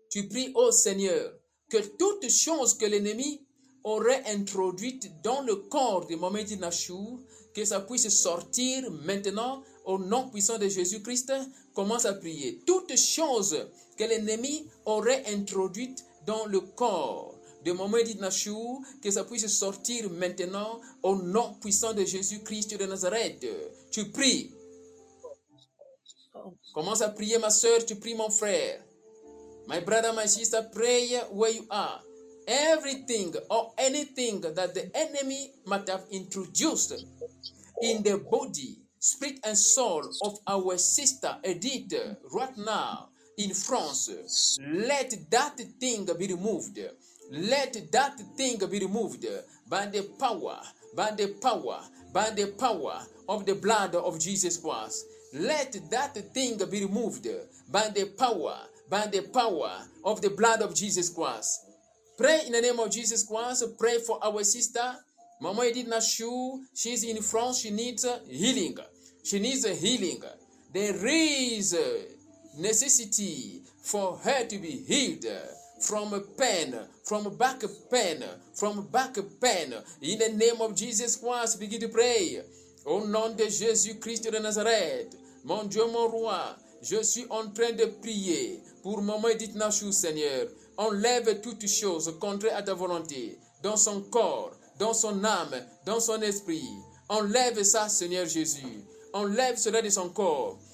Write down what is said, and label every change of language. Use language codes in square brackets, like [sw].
[fr] Tu pries au Seigneur que toute chose que l'ennemi aurait introduite dans le corps de Mohamed Nashour, que ça puisse sortir maintenant au nom puissant de Jésus-Christ, commence à prier. Toute chose que l'ennemi aurait introduite dans le corps. De moment dit Nashu, que ça puisse sortir maintenant au nom puissant de Jésus-Christ de Nazareth. Tu pries. Commence à prier, ma soeur, tu pries, mon frère. [en] My brother, my sister, pray where you are. Everything or anything that the enemy might have introduced in the body, spirit and soul of our sister Edith right now in France, let that thing be removed. Let that thing be removed by the power of the blood of Jesus Christ. Let that thing be removed by the power of the blood of Jesus Christ. Pray in the name of Jesus Christ. Pray for our sister, Mama Edith Nashu. She's in France. She needs healing. She needs healing. There is necessity for her to be healed from back pain. In the name of Jesus Christ, begin to pray. [fr] Au nom de Jésus Christ de Nazareth, mon Dieu, mon roi, je suis en train de prier pour Mama Edith Nashu, Seigneur. Enlève toutes choses contraires à ta volonté dans son corps, dans son âme, dans son esprit. Enlève ça, Seigneur Jésus. Enlève cela de son corps.